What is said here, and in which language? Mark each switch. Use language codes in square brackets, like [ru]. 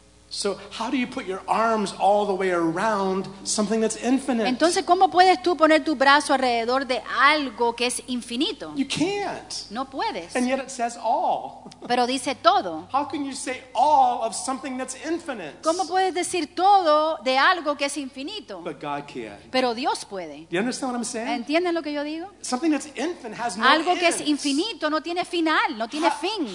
[en] So how do you put your arms all the way around something that's infinite? [es] Entonces, ¿cómo puedes tú poner tu brazo alrededor de algo que es infinito? [en] You can't. [es] No puedes. [en] And yet it says all. [es] Pero dice todo. [en] How can you say all of something that's infinite? [es] ¿Cómo puedes decir todo de algo que es infinito? [en] But God can. [es] Pero Dios puede. [en] Do you understand what I'm saying? [es] ¿Entienden lo que yo digo? [en] Something that's infinite has no end. [es] Algo que es infinito no tiene final, no tiene fin.